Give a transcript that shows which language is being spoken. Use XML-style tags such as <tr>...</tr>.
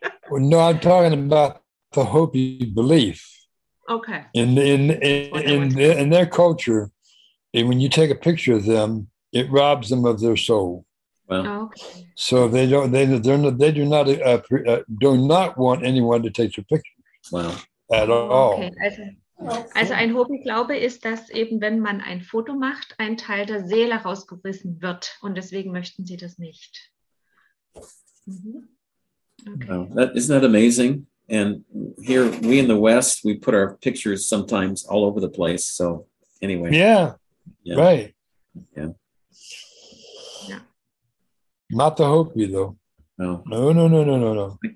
<en>Well, no, I'm talking about the Hopi belief. Okay. In their culture, and when you take a picture of them, it robs them of their soul. Wow. Okay. So they do not want anyone to take your picture. Wow. At all. Okay.</en> <de>Also ein Hobby-Glaube ist, dass eben wenn man ein Foto macht, ein Teil der Seele rausgerissen wird und deswegen möchten sie das nicht.</de> <en>Mhm. Okay. Wow. Isn't that amazing? And here we in the West, we put our pictures sometimes all over the place. So anyway. Yeah. Yeah. Right. Yeah. Not the Hopi, though. No. No, no, no, no, no.</en>